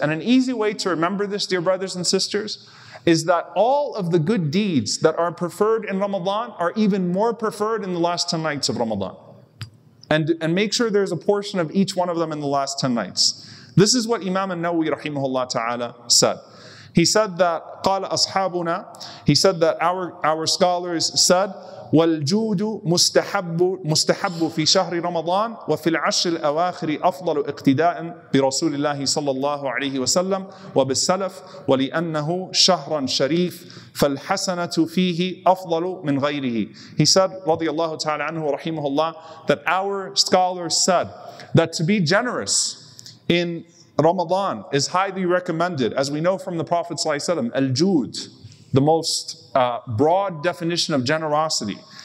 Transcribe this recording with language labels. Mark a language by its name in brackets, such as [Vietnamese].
[English] And an easy way to remember this, dear brothers and sisters, is that all of the good deeds that are preferred in Ramadan are even more preferred in the last 10 nights of Ramadan. And make sure there's a portion of each one of them in the last 10 nights. This is what Imam An-Nawawi rahimahullah ta'ala said. He said that [Arabic] قال أصحابنا, [English] he said that our scholars said [Arabic] والجود مستحب في شهر رمضان وفي العشر الأواخر أفضل اقتداء برسول الله صلى الله عليه وسلم وبالسلف ولأنه شهرا شريف فالحسنة فيه أفضل من غيره. [English] He said [Arabic] رضي الله تعالى عنه ورحمه الله [English] that our scholars said that to be generous in Ramadan is highly recommended, as we know from the Prophet ﷺ, al-jud, the most broad definition of generosity.